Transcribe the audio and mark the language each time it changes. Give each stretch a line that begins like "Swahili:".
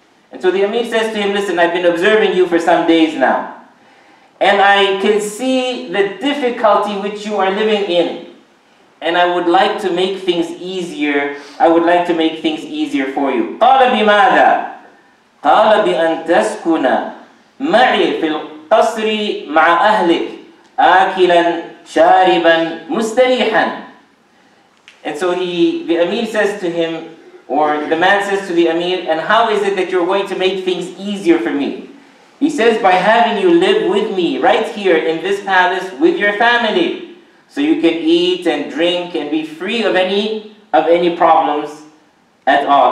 English: And so the Amir says to him, listen, I've been observing you for some days now. And I can see the difficulty which you are living in. And I would like to make things easier. I would like to make things easier for you.
Arabic: قال بماذا؟ قال بأن تسكن معي في القصر مع أهلك آكلا شاربا مستريحا.
English: And so the Amir says to him, or the man says to the Amir, and how is it that you're going to make things easier for me? He says, by having you live with me right here in this palace with your family, so you can eat and drink and be free of any problems at all.